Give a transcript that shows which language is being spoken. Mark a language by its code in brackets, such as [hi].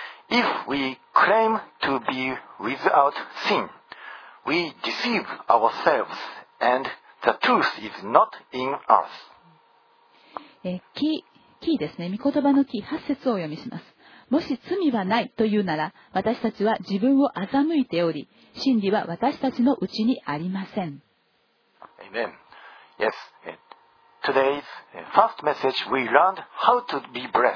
[en] If we claim to be without sin, we deceive ourselves, and the truth is not in us. [ja] キーですね。御言葉のキー、8節をお読みします。もし罪はないというなら、私たちは自分を欺いており、真理は私たちのうちにありません。 [en] Amen. Yes. Today's first message, we learned how to be blessed.